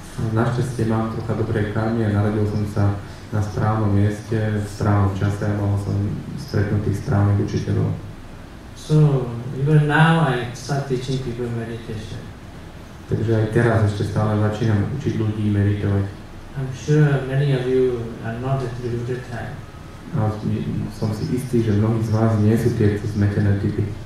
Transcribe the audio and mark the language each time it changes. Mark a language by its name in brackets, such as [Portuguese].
[Slovak] Našťastie mám trocha dobré karmy a narodil som sa na správnom mieste, v správnom čase a mohol som stretnúť tých správnych učiteľov. [English] So, even now I start teaching people meditation. [Slovak] Takže aj teraz ešte stále začínam učiť ľudí meditovať. [English] I'm sure many of you are not the deluded type. [Slovak] A som si istý, že mnohí z vás nie sú tie zmetené typy.